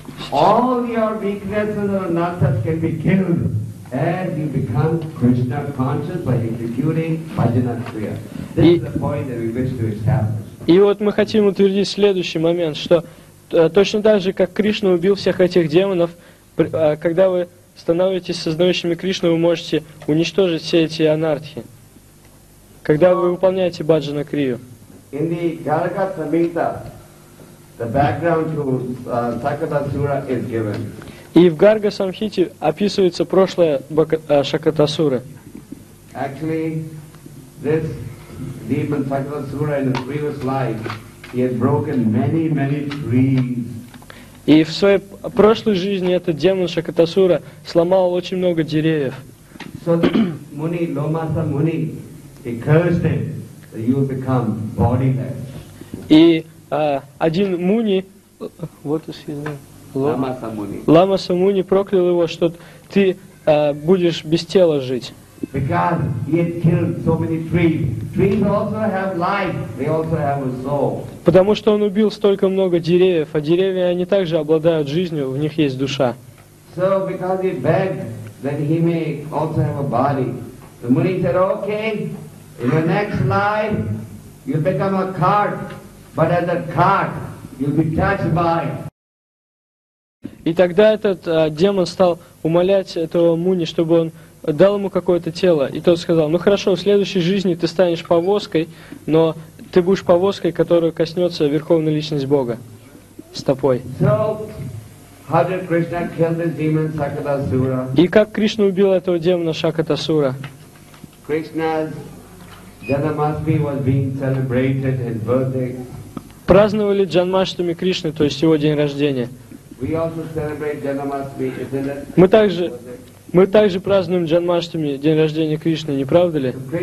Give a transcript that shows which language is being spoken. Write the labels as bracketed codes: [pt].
[en] All your weaknesses or anattas can be killed as you become Krishna conscious by executing bhajana kriya. This is the point that we wish to establish. [ru] И вот мы хотим утвердить следующий момент, что точно так же, как Кришна убил всех этих демонов, когда вы становитесь сознающими Кришну, вы можете уничтожить все эти анархи. Когда вы выполняете бхаджана крию. [en] In the Garga Samhita, the background to Sakatasura is given. [ru] И в Гарга Самхите описывается прошлое Шакатасуры. [en] Actually, this demon Sakatasura in his previous life, he had broken many, many trees. [ru] И в своей прошлой жизни этот демон Шакатасура сломал очень много деревьев. [en] So Muni Lomasa Muni, he cursed him that you become bodyless. [ru] И один Муни, вот Ламаса Муни проклял его, что ты будешь без тела жить. [en] So trees also have life. They also have a soul. [ru] Потому что он убил столько много деревьев, а деревья, они также обладают жизнью, в них есть душа. [en] So because he begged that he may also have a body. The Muni said, okay, in your next life you become a cart. But as a cart, you'll be touched by. [ru] И тогда этот демон стал умолять этого Муни, чтобы он дал ему какое-то тело. И тот сказал: ну хорошо, в следующей жизни ты станешь повозкой, но ты будешь повозкой, которую коснется Верховная Личность Бога стопой. [en] So, how did Krishna kill this demon Sakatasura? [ru] И как Кришна убил этого демона Шакатасура? [en] Krishna's Janmashtami was being celebrated, his birthday. [ru] Праздновали Джанмаштами Кришны, то есть его день рождения. Мы также празднуем Джанмаштами, день рождения Кришны, не правда ли?